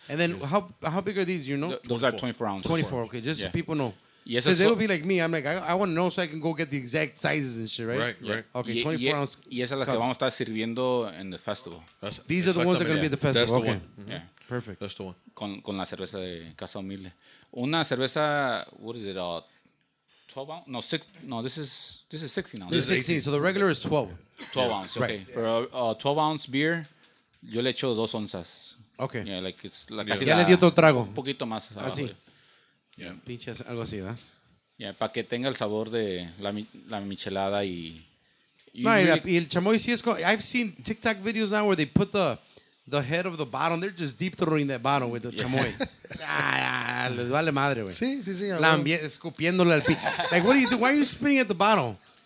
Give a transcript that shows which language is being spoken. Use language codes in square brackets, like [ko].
[en] And then, how big are these, you know? Those are 24 ounces. 24, okay, just so people know. Because they will be like me. I'm like, I want to know so I can go get the exact sizes and shit, right? Right, right. Okay, 24 ounces. [es] Y esa es la que vamos a estar sirviendo en el festival. [en] These are the ones that are going to be at the festival. That's the one. Yeah. Perfect. That's the one. [es] Con la cerveza de Casa Humilde. Una cerveza, [en] what is it, 12 ounce? No, six, no, this is 16 ounces. This is 16, so the regular is 12. 12 ounces, okay. Right. For a 12 ounce beer, [es] yo le echo 2 onzas. [en] Okay. Yeah, like it's [es] la casi ya le dio otro trago. Un poquito más. Así. Abajo. Pinches, algo así, ¿verdad? [en] Yeah, [es] para que tenga el sabor de la michelada y... Y el chamoy sí es... [en] I've seen TikTok videos now where they put the head of the bottom, they're just deep throwing that bottom with the chamoy. [es] Les vale madre, güey. Sí, escupiéndole al pie. [en] Like, what are you doing? Why are you spinning at the bottom?